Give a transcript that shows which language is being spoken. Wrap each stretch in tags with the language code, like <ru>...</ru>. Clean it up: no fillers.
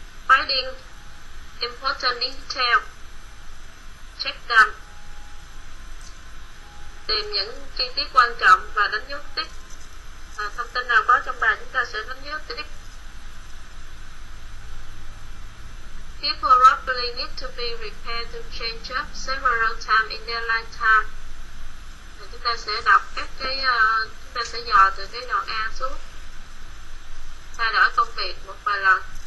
<en>Finding important detail, check them,</en> <vi>tìm những chi tiết quan trọng và đánh dấu tích. À, thông tin nào có trong bài chúng ta sẽ đánh dấu tích.</vi> <en>People probably need to be prepared to change up several times in their lifetime.</en> <vi>Chúng ta sẽ đọc các cái chúng ta sẽ dò từ cái đoạn A xuống. Thay đổi công việc một vài lần.</vi>